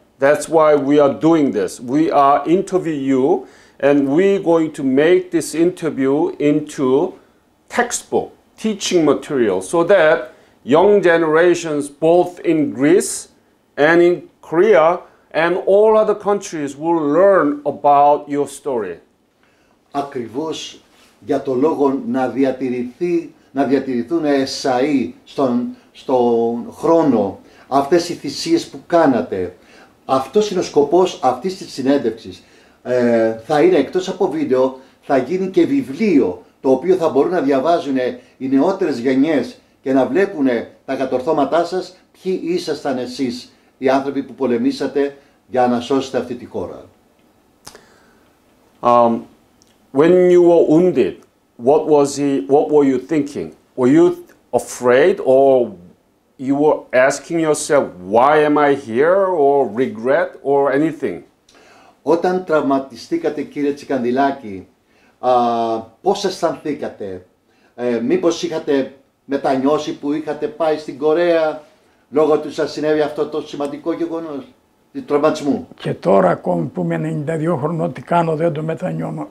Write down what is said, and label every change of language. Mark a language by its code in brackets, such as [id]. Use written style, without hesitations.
[en] That's why we are doing this. We are interviewing you, and we're going to make this interview into textbook, teaching material, so that young generations, both in Greece and in Korea and all other countries, will learn about your story. [el] Ακριβώς για το λόγο να διατηρηθούν εσαί στον χρόνο αυτές οι θυσίες που κάνατε. Αυτός είναι ο σκοπός αυτής της συνέντευξης. Θα είναι εκτός από βίντεο, θα γίνει και βιβλίο, το οποίο θα μπορούν να διαβάζουν οι νεότερες γενιές και να βλέπουν τα κατορθώματά σας, ποιοι ήσασταν εσείς οι άνθρωποι που πολεμήσατε για να σώσετε αυτή τη χώρα. [en] When you were wounded, what were you thinking? Were you afraid or you were asking yourself, why am I here, or regret, or anything? [el] Όταν τραυματιστήκατε, κύριε Τσικανδυλάκη, πώς αισθανθήκατε? Μήπως είχατε μετανιώσει που είχατε πάει στην Κορέα λόγω του σας συνέβη αυτό το σημαντικό γεγονός, του τραυματισμού? Και τώρα, ακόμη που είμαι 92 χρονών, τι κάνω, δεν το μετανιώνω.